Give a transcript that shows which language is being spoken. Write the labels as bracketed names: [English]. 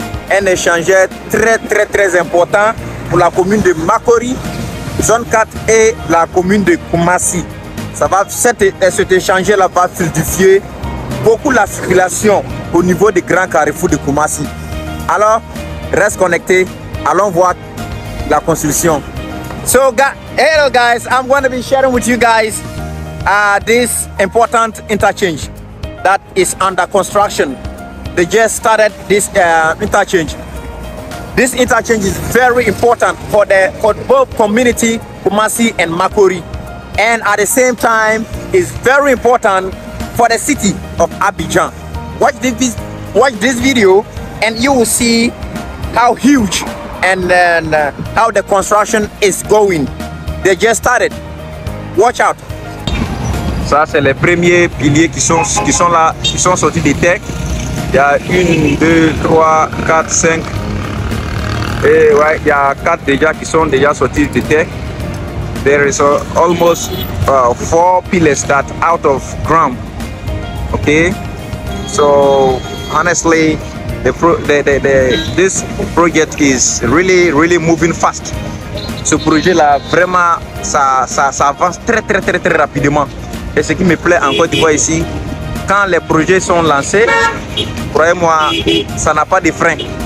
[French] Un échangeur très important pour la commune de Makori, zone 4 et la commune de Kumasi. Cet échangeur-là va fluidifier beaucoup la circulation au niveau du Grand Carrefour de Kumasi. Alors, reste connecté, allons voir la construction. [English] So hello guys, I'm going to be sharing with you guys this important interchange that is under construction. They just started this interchange. This interchange is very important for both community Kumasi and Makori, and at the same time is very important for the city of Abidjan. Watch this video and you will see how huge and then how the construction is going. They just started. Watch out. [French] Ça, c'est les premiers piliers qui sont là, qui sont sortis des techs. Il y a 1, 2, 3, 4, 5. Et ouais, il y a 4 déjà qui sont déjà sortis des techs. [English] There is almost 4 pillars that out of ground. Okay. So, honestly, this project is really moving fast. [French] Ce projet là vraiment ça avance très rapidement. Et ce qui me plaît en Côte d'Ivoire ici, quand les projets sont lancés, croyez-moi, ça n'a pas de frein.